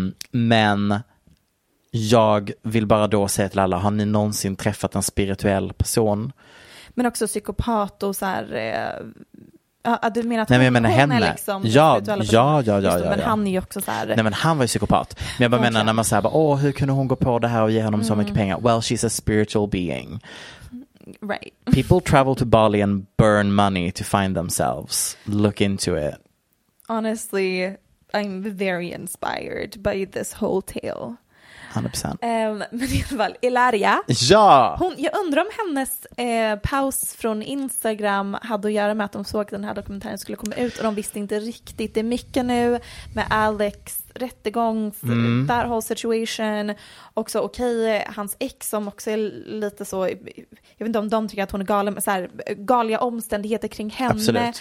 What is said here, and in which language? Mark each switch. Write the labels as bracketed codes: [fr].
[sv] Men jag vill bara då säga till alla, har ni någonsin träffat en spirituell person? Men också psykopat och så här... du menar att nej, hon, men menar hon henne. Är liksom ja. Men han är ju också så här... Nej, men han var ju psykopat. Men jag bara menar när man säger, hur kunde hon gå på det här och ge honom så mycket pengar? [en] Well, she's a spiritual being. Right. People travel to Bali and burn money to find themselves. Look into it. Honestly, I'm very inspired by this whole tale. 100%. [sv] Men i alla fall, Ilaria. Ja! Jag undrar om hennes paus från Instagram hade att göra med att de såg att den här dokumentären skulle komma ut och de visste inte riktigt det mycket nu med Alex rättegångs [en] that whole situation. [sv] Också hans ex som också är lite så, jag vet inte om de tycker att hon är galen, men så här, galiga omständigheter kring henne.